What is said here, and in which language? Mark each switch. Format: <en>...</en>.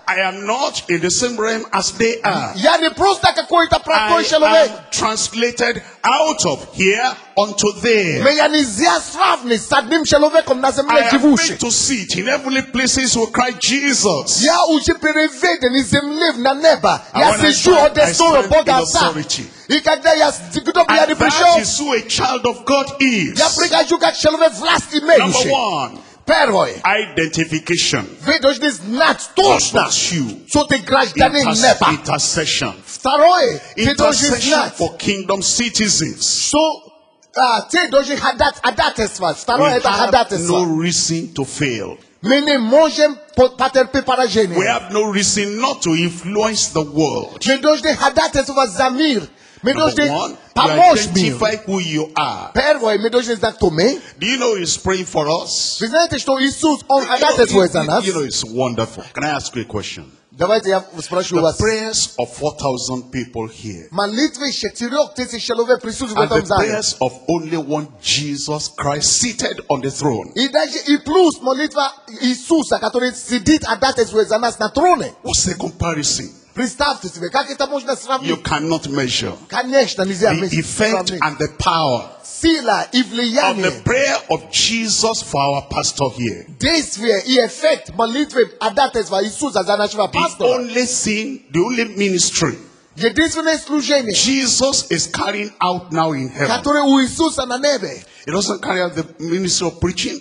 <en>I am not in the same realm as they are.</en> <ru>Я не просто какой-то простой человек.</ru> <en>I am translated out of here unto there.</en> <ru>Меня нельзя сравнить с одним человеком на земле живущим.</ru> <en>I am fit to sit in heavenly places with Christ Jesus.</en> <ru>Я уже переведен из земли на небо. Я сижу у престола Бога Отца. И когда я сижу я не пришел.</ru> <en>That is who a child of God is.</en> <ru>Я прикажу как человек власть имеющий.</ru> <en>Number one.</en> <ru>первое.</ru> <en>Identification.</en> <ru>Вы должны знать точно, что ты гражданин неба.</ru> <en>Intercession.</en> <ru>Второе, ты должен знать.</ru> <en>For kingdom citizens.</en> <ru>So, ты должен знать ходатайство. Второе, это ходатайство.</ru> <en>No reason to fail.</en> <ru>Мы не можем потерпеть поражение.</ru> <en>We have no reason not to influence the world.</en> <ru>Мы должны ходатайство за мир.</ru> <en>Number one, you identify who you are.</en> <ru>Первое, мы должны знать, кто мы.</ru> <en>Do you know He's praying for us?</en> <ru>Вы знаете, что Иисус, Он ходатайствует за нас?</ru> <en>You know, it's wonderful. Can I ask you a question?</en> <ru>Давайте я спрошу</ru> <en>the</en> <ru>вас.</ru> <en>The prayers of 4,000 people here.</en> <ru>Молитвы 4,000 человек присутствуют в этом зале.</ru> <en>And the prayers of only one Jesus Christ seated on the throne.</en> <ru>И даже и плюс молитва Иисуса, который сидит ходатайствует за нас на троне.</ru> <en>What's the comparison?</en> <ru>Представьте себе, как это можно сравнить?</ru> <en>You cannot measure.</en> <ru>Конечно, нельзя</ru> <en>the effect</en> <ru>сравнить.</ru> <en>And the power.</en> <ru>Сила и влияние.</ru> <en>Of the prayer of Jesus for our pastor here.</en> <ru>Действие и эффект молитвы ходатайства Иисуса за нашего пастора.</ru> <en>The only thing, the only ministry.</en> <ru>Единственное служение.</ru> <en>Jesus is carrying out now in heaven.</en> <ru>Которое у Иисуса на небе.</ru> <en>He doesn't carry out the ministry of preaching.</en>